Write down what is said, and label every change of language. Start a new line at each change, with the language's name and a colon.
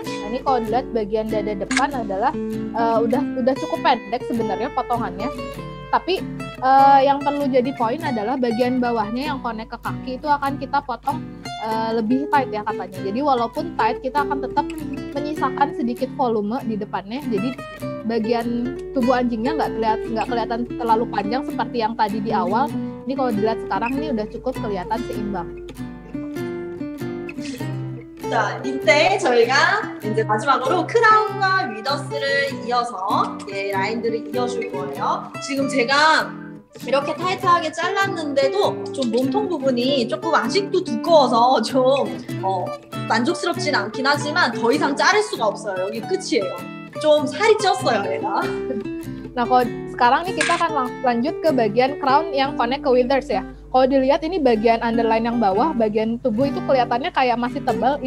Korean: 아니 그
Indonesian: dilihat bagian dada depan adalah udah cukup pendek sebenarnya potongannya. Tapi yang perlu jadi poin adalah bagian bawahnya yang connect ke kaki itu akan kita potong lebih tight ya katanya. Jadi walaupun tight kita akan tetap menyisakan sedikit volume di depannya. Jadi bagian tubuh anjingnya nggak kelihatan terlalu panjang seperti yang tadi di awal. Ini kalau dilihat sekarang ini udah cukup kelihatan seimbang.
Korean: Nah, 이때 저희가 이제 마지막으로 크라운과 위더스를 이어서 예, 라인들을 이어줄 거예요. 지금 제가 이렇게 타이트하게 잘랐는데도 좀 몸통 부분이 조금 아직도 두꺼워서 좀 만족스럽진 않긴 하지만 더 이상 자를 수가 없어요. 여기 끝이에요. 좀 살이 쪘어요, 얘가.
Indonesian: Nah, sekarang nih kita akan lanjut ke bagian crown yang connect ke withers ya. Kalau dilihat ini bagian underline yang bawah, bagian tubuh itu kelihatannya kayak masih tebal.